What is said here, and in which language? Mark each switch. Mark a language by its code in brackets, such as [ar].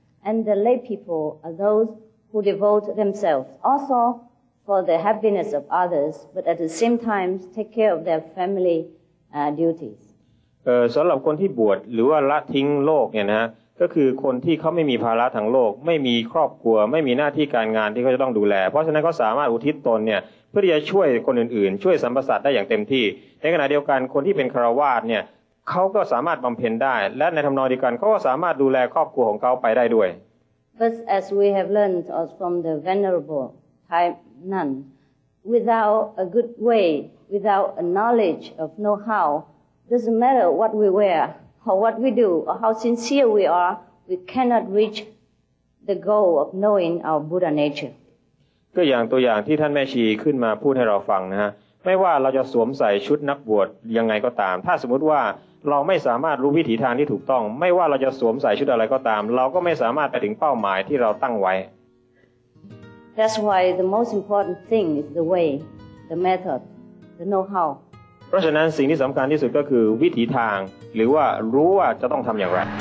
[en] And the lay people are those who devote themselves also for the happiness of others, but at the same time take care of their family duties. [th] สำหรับคนที่บวชหรือว่าละทิ้งโลกเนี่ยนะก็คือคนที่เขาไม่มีภาระทางโลกไม่มีครอบครัวไม่มีหน้าที่การงานที่เขาจะต้องดูแลเพราะฉะนั้นเขาสามารถอุทิศตนเนี่ยเพื่อจะช่วยคนอื่นๆช่วยสรรพสัตว์ได้อย่างเต็มที่ในขณะเดียวกันคนที่เป็นคฤหัสถ์เนี่ยเขาก็สามารถบำเพ็ญได้และในทำนองเดียวกันเขาก็สามารถดูแลครอบครัวของเขาไปได้ด้วย [en] But as we have learned from the venerable Thai nun without a good way without a knowledge of know how doesn't matter what we wear or what we do or how sincere we are we cannot reach the goal of knowing our Buddha nature [th] ก็อย่างตัวอย่างที่ท่านแม่ชีขึ้นมาพูดให้เราฟังนะฮะไม่ว่าเราจะสวมใส่ชุดนักบวชยังไงก็ตามถ้าสมมติว่าเราไม่สามารถรู้วิถีทางที่ถูกต้องไม่ว่าเราจะสวมใส่ชุดอะไรก็ตามเราก็ไม่สามารถไปถึงเป้าหมายที่เราตั้งไว้ [en] That's why the most important thing is the way, the method, the know-how. [th] เพราะฉะนั้นสิ่งที่สำคัญที่สุดก็คือวิถีทางหรือว่ารู้ว่าจะต้องทำอย่างไร